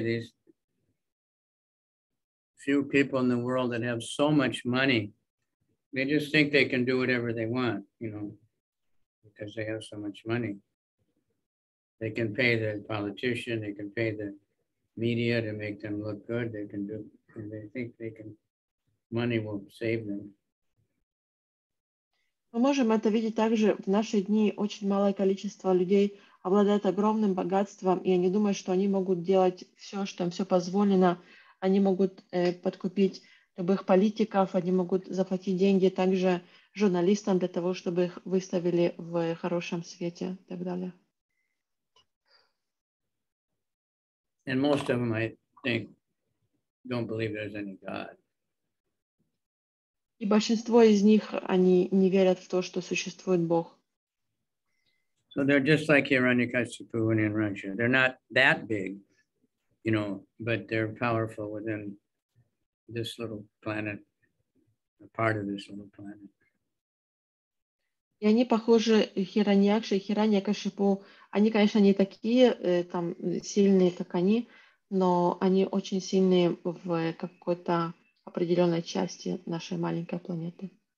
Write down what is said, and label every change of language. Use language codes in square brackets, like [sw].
[en] These few people in the world that have so much money, they just think they can do whatever they want, you know, because they have so much money. They can pay the politician, they can pay the media to make them look good. They can do, and they think they can, money will save them. [ru] Мы можем это видеть также в наши дни. Очень малое количество людей обладает огромным богатством, и они думают, что они могут делать все, что им все позволено. Они могут подкупить любых политиков, они могут заплатить деньги также журналистам для того, чтобы их выставили в хорошем свете и так далее. [en] And most of them, I think, don't believe there's any God. [ru] И большинство из них, они не верят в то, что существует Бог. [en] So they're just like Hiranyakashi in Russia. They're not that big, you know, but they're powerful within this little planet, a part of this little planet. [ru] И они похожи Хираньякши, Хираньякши, они, конечно, не такие там сильные, как они, но они очень сильные в какой-то определенной части нашей маленькой планеты.